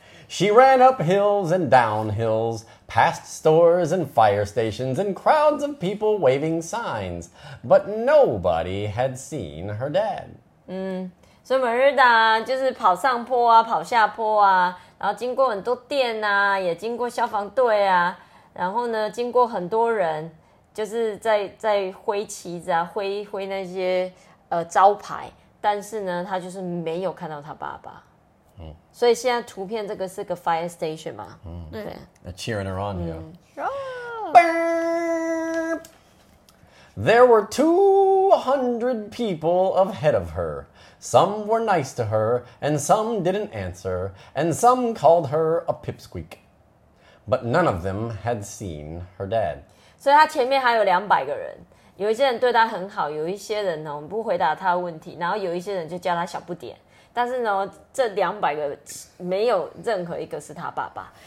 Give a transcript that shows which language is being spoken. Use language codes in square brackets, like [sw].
[en] She ran up hills and down hills, past stores and fire stations and crowds of people waving signs, but nobody had seen her dad. [zh] 所以 Miranda 就是跑上坡啊，跑下坡啊，然后经过很多店啊，也经过消防队啊，然后呢，经过很多人。就是在挥旗子啊，挥那些招牌，但是呢，他就是没有看到他爸爸。所以现在图片这个是个 fire station 嘛。对。 [en] A cheering her on, you know. There were 200 people ahead of her. Some were nice to her, and some didn't answer, and some called her a pipsqueak. But none of them had seen her dad. [zh] 所以他前面还有200个人，有一些人对他很好，有一些人呢不回答他的问题，然后有一些人就叫他小不点。但是呢，这200个没有任何一个是他爸爸。